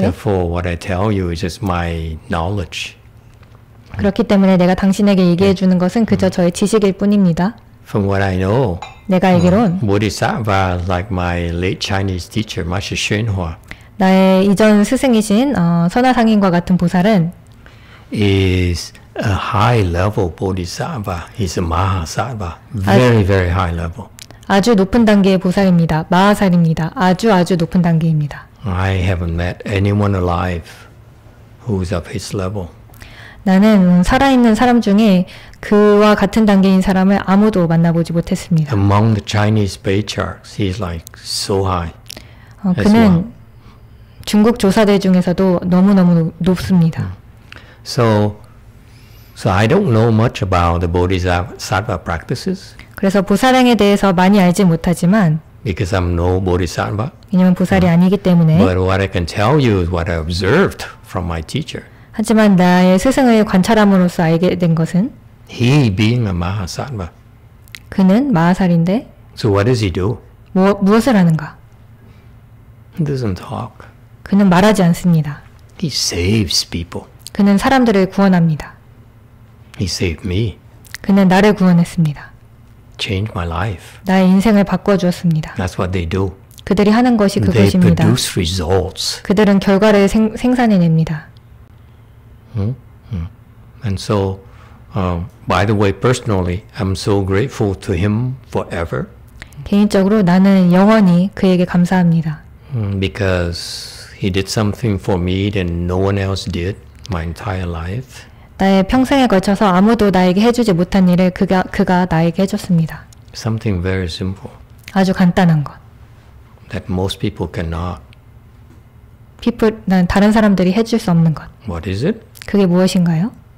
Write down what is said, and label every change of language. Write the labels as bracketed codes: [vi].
[en] Therefore, what I tell you is just my knowledge. [ko] 그렇기 때문에 내가 당신에게 얘기해 주는 것은 그저 저의 지식일 뿐입니다. [en] From what I know, [ko] 내가 알기론 [en] Bodhisattva like my late Chinese teacher, Master Xuanhua. [ko] 나의 이전 스승이신 선화상인과 같은 보살은 [en] is a high level bodhisattva. He's a mahasattva. Very, very high level. [ko] 아주 높은 단계의 보살입니다. 마하살입니다. 아주 아주 높은 단계입니다. [en] I haven't met anyone alive who's of his level. [ko] 나는 살아있는 사람 중에 그와 같은 단계인 사람을 아무도 만나보지 못했습니다. [en] Among the Chinese patriarchs, he's like so high. [ko] 그는 [en] as well. [ko] 중국 조사대 중에서도 너무너무 높습니다. [en] So I don't know much about the Bodhisattva practices. [ko] 그래서 보살행에 대해서 많이 알지 못하지만 [en] because I'm no Bodhisattva. [ko] 왜냐면 보살이 아니기 때문에. [en] But what I can tell you is what I observed from my teacher. [ko] 하지만 나의 스승을 관찰함으로써 알게 된 것은 [en] he being a Mahasattva. [ko] 그는 마하살인데 [en] so what does he do? [ko] 무엇을 하는가? [en] He doesn't talk. [ko] 그는 말하지 않습니다. [en] He saves people. [ko] 그는 사람들을 구원합니다. [en] He saved me. [ko] 그는 나를 구원했습니다. [en] Changed my life. [ko] 나의 인생을 바꿔주었습니다. [en] That's what they do. [ko] 그들이 하는 것이 그것입니다. [en] They produce results. [ko] 그들은 결과를 생산해냅니다. [en] And so, by the way, personally, I'm so grateful to him forever. [ko] 개인적으로 나는 영원히 그에게 감사합니다. [en] Because he did something for me that no one else did my entire life. [ko] 나의 평생에 걸쳐서 아무도 나에게 해주지 못한 일을 그가 나에게 해줬습니다. [en] Something very simple. [ko] 아주 간단한 것. [en] That most people cannot. People, [ko] 다른 사람들이 해줄 수 없는 것. [en] What is it? [ko] 그게 무엇인가요?